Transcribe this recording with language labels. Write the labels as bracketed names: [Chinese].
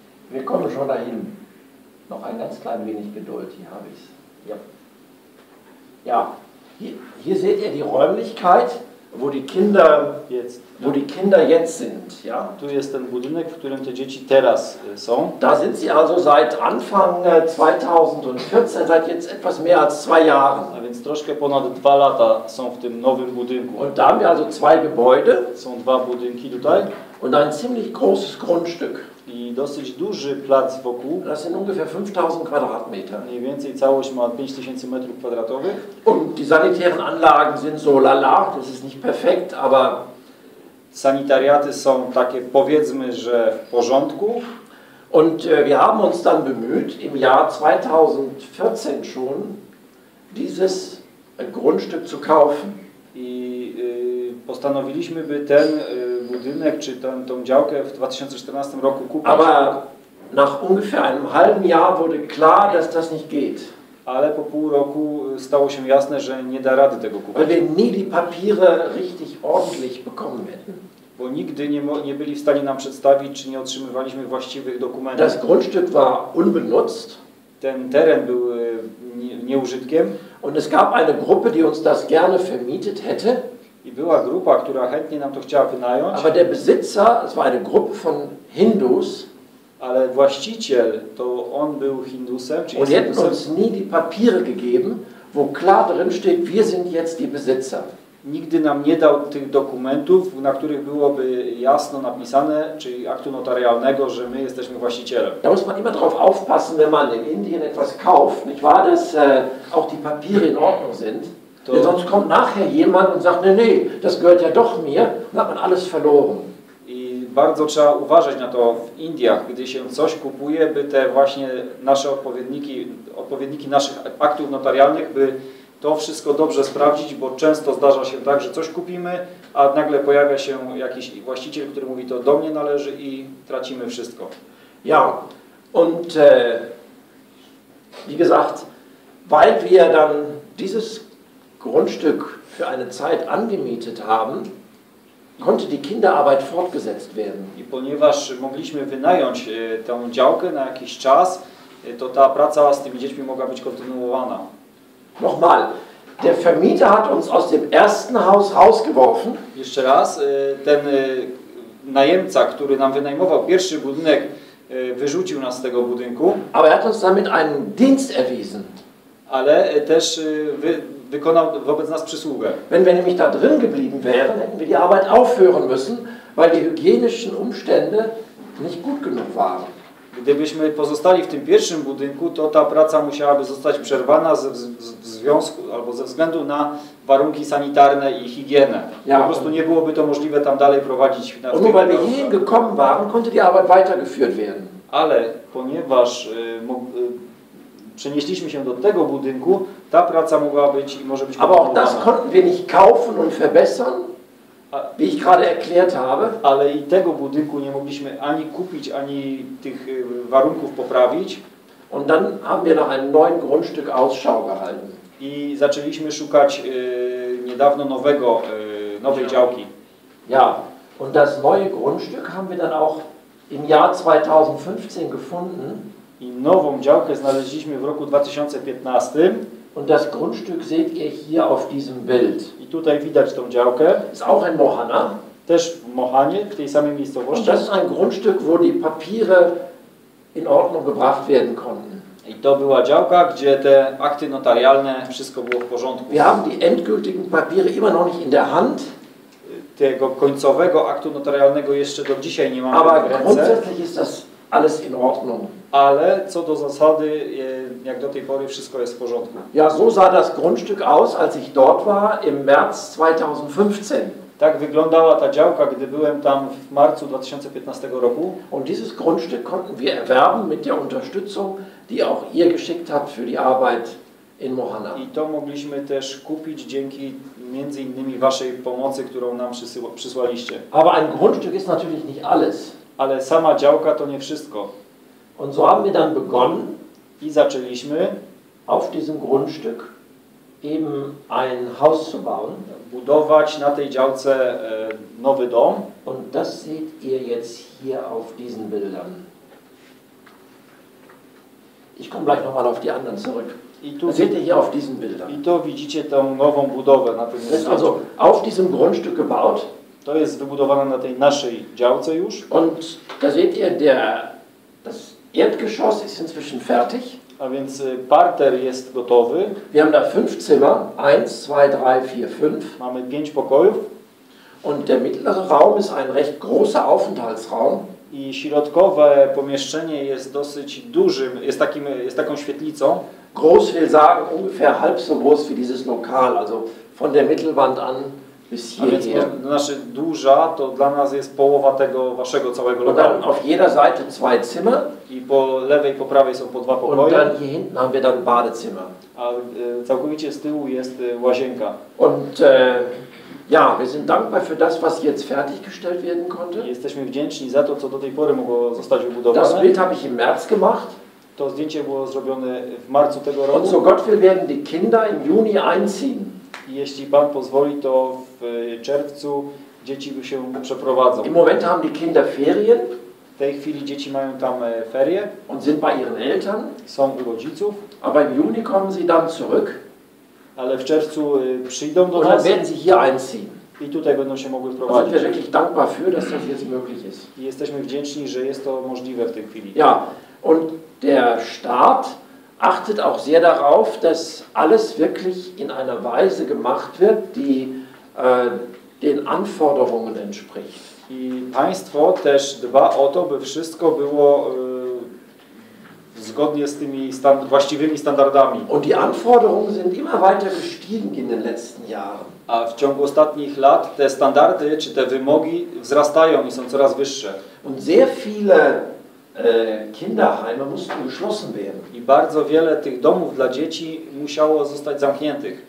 [German] Wir kommen schon dahin. Noch ein ganz klein wenig Geduld, hier habe ich es. Ja, ja. Hier seht ihr die Räumlichkeit, wo die Kinder jetzt, wo die Kinder jetzt sind. Ja. [Polish] Tu jest ten budynek, w którym te dzieci teraz są. [German] Da sind sie also seit Anfang 2014, seit jetzt etwas mehr als 2 Jahren. [Polish] A więc troszkę ponad 2 lata są w tym nowym budynku. [German] Und da haben wir also 2 Gebäude. [Polish] Są 2 budynki tutaj. [German] Und ein ziemlich großes Grundstück. [Polish] I dosyć duży plac wokół. [German] Das sind ungefähr 5000 Quadratmeter. [Polish] Mniej więcej całość ma 5000 metrów kwadratowych. [German] Und die sanitären Anlagen sind so lala, das ist nicht perfekt, aber [Polish] sanitariaty są takie, powiedzmy, że w porządku. [German] Und wir haben uns dann bemüht, im Jahr 2014 schon dieses Grundstück zu kaufen. [Polish] I postanowiliśmy, by ten budynek, czy tą działkę w 2014 roku kupić. [German] Aber nach ungefähr einem halben Jahr wurde klar, dass das nicht geht. [Polish] Ale po pół roku stało się jasne, że nie da rady tego kupić. [German] Weil wir nie die Papiere richtig ordentlich bekommen hätten. [Polish] Bo nigdy nie byli w stanie nam przedstawić, czy nie otrzymywaliśmy właściwych dokumentów. [German] Das Grundstück war unbenutzt. [Polish] Ten teren był nieużytkiem. [German] Und es gab eine Gruppe, die uns das gerne vermietet hätte. [Polish] I była grupa, która chętnie nam to chciała wynająć. [German] Aber der Besitzer, es war eine Gruppe von Hindus. [Polish] Ale właściciel, to on był Hindusem. [German] Und die hätten uns nie die Papiere gegeben, wo klar drin steht, wir sind jetzt die Besitzer. [Polish] Nigdy nam nie dał tych dokumentów, na których byłoby jasno napisane, czyli aktu notarialnego, że my jesteśmy właścicielem. [German] Da muss man immer drauf aufpassen, wenn man in Indien etwas kauft, nicht wahr, dass auch die Papiere in Ordnung sind. [Polish] To... [German] Sonst kommt nachher jemand und sagt, nee, nee, das gehört ja doch mir, dann hat man alles verloren. [Polish] I bardzo trzeba uważać na to w Indiach, gdy się coś kupuje, by te właśnie nasze odpowiedniki, odpowiedniki naszych aktów notarialnych, by to wszystko dobrze sprawdzić, bo często zdarza się tak, że coś kupimy, a nagle pojawia się jakiś właściciel, który mówi, to do mnie należy i tracimy wszystko. [German] Ja, und wie gesagt, weil wir dann dieses Grundstück für eine Zeit angemietet haben, konnte die Kinderarbeit fortgesetzt werden. [Polish] I ponieważ mogliśmy wynająć tę działkę na jakiś czas, to ta praca z tymi dziećmi mogła być kontynuowana. [German] Nochmal, der Vermieter hat uns aus dem ersten Haus rausgeworfen. [Polish] Jeszcze raz, ten najemca, który nam wynajmował pierwszy budynek, wyrzucił nas z tego budynku. [German] Aber er hat uns damit einen Dienst erwiesen. [Polish] Ale też wykonał wobec nas przysługę. [German] Wenn wir nämlich da drin geblieben wären, hätten wir die Arbeit aufhören müssen, weil die hygienischen Umstände nicht gut genug waren. [Polish] Gdybyśmy pozostali w tym pierwszym budynku, to ta praca musiałaby zostać przerwana ze względu na warunki sanitarne i higienę. Ja, po prostu nie byłoby to możliwe tam dalej prowadzić. [German] Und weil wir hierhin gekommen waren, konnte die Arbeit weitergeführt werden. [Polish] Ale ponieważ przenieśliśmy się do tego budynku, ta praca mogła być i może być kontynuowana. [German] Aber auch das konnten wir nicht kaufen und verbessern. Wie ich gerade erklärt habe. [Polish] Ale i tego budynku nie mogliśmy ani kupić, ani tych warunków poprawić. [German] Und dann haben wir nach einem neuen Grundstück Ausschau gehalten. [Polish] I zaczęliśmy szukać niedawno nowego, nowej działki. [German] Ja, und das neue Grundstück haben wir dann auch im Jahr 2015 gefunden. [Polish] I nową działkę znaleźliśmy w roku 2015. [German] Und das Grundstück seht ihr hier auf diesem Bild. [Polish] I tutaj widać tą działkę. [German] Ist auch in Mohana. [Polish] Też w Mohanie, w tej samej miejscowości. [German] Und das ist ein Grundstück, wo die Papiere in Ordnung gebracht werden konnten. [Polish] I to była działka, gdzie te akty notarialne, wszystko było w porządku. [German] Wir haben die endgültigen Papiere immer noch nicht in der Hand. [Polish] Tego końcowego aktu notarialnego jeszcze do dzisiaj nie mamy. [German] Aber grundsätzlich ist das alles in Ordnung. [Polish] Ale co do zasady, jak do tej pory, wszystko jest w porządku. [German] Ja, so sah das Grundstück aus, als ich dort war, im März 2015. [Polish] Tak wyglądała ta działka, gdy byłem tam w marcu 2015 roku. [German] Und dieses Grundstück konnten wir erwerben mit der Unterstützung, die auch ihr geschickt habt für die Arbeit in Mohana. [Polish] I to mogliśmy też kupić dzięki między innymi waszej pomocy, którą nam przysłaliście. [German] Aber ein Grundstück ist natürlich nicht alles. [Polish] Ale sama działka to nie wszystko. [German] Und so haben wir dann begonnen, [Polish] i zaczęliśmy [German] auf diesem Grundstück eben ein Haus zu bauen, [Polish] budować na tej działce nowy dom. [German] Und das seht ihr jetzt hier auf diesen Bildern. Ich komme gleich nochmal auf die anderen zurück. [Polish] I tu [German] seht ihr hier auf diesen Bildern. [Polish] I to widzicie tą nową budowę na tym miejscu. [German] Also auf diesem Grundstück gebaut. [Polish] To jest wybudowane na tej naszej działce już. [German] Und da seht ihr das Erdgeschoss ist inzwischen fertig. [Polish] A więc parter jest gotowy. [German] Wir haben da 5 Zimmer, 1 2 3 4 5. [Polish] Mamy 5 pokojów. [German] Und der mittlere Raum ist ein recht großer Aufenthaltsraum. [Polish] I środkowe pomieszczenie jest dosyć dużym, jest taką świetlicą. [German] Groß will sagen ungefähr halb so groß wie dieses Lokal, also von der Mittelwand an. [Polish] A więc nasze duża to dla nas jest połowa tego waszego całego lokalu. [German] Auf jeder Seite zwei Zimmer. [Polish] I po lewej, po prawej są po dwa pokoje. [German] Und dann hier hinten haben wir dann Badezimmer. [Polish] A całkowicie z tyłu jest łazienka. [German] Und ja, wir sind dankbar für das, was jetzt fertiggestellt werden konnte. [Polish] Jesteśmy wdzięczni za to, co do tej pory mogło zostać wybudowane. [German] Das Bild habe ich im März gemacht. [Polish] To zdjęcie było zrobione w marcu tego roku. [German] Und so Gott will, werden die Kinder im Juni einziehen. [Polish] Jeśli Pan pozwoli, to w czerwcu dzieci się przeprowadzą. [German] Im Moment haben die Kinder Ferien. [Polish] W tej chwili dzieci mają tam ferie. [German] Und sind bei ihren Eltern. [Polish] Są u rodziców. [German] Aber im Juni kommen sie dann zurück. [Polish] Ale w czerwcu przyjdą do nas. [German] Werden sie hier einziehen. [Polish] I tutaj będą się mogły wprowadzić. [German] Sind wir wirklich dankbar für, dass das jetzt möglich ist. [Polish] I jesteśmy wdzięczni, że jest to możliwe w tej chwili. [German] Ja, und der Staat achtet auch sehr darauf, dass alles wirklich in einer Weise gemacht wird, die den Anforderungen entspricht. [Polish] I państwo też dba o to, by wszystko było zgodnie z tymi właściwymi standardami. [German] Und die Anforderungen sind immer weiter gestiegen in den letzten Jahren. [Polish] A w ciągu ostatnich lat te standardy czy te wymogi wzrastają i są coraz wyższe. [German] Und sehr viele Kinderheime mussten geschlossen werden. [Polish] I bardzo wiele tych domów dla dzieci musiało zostać zamkniętych.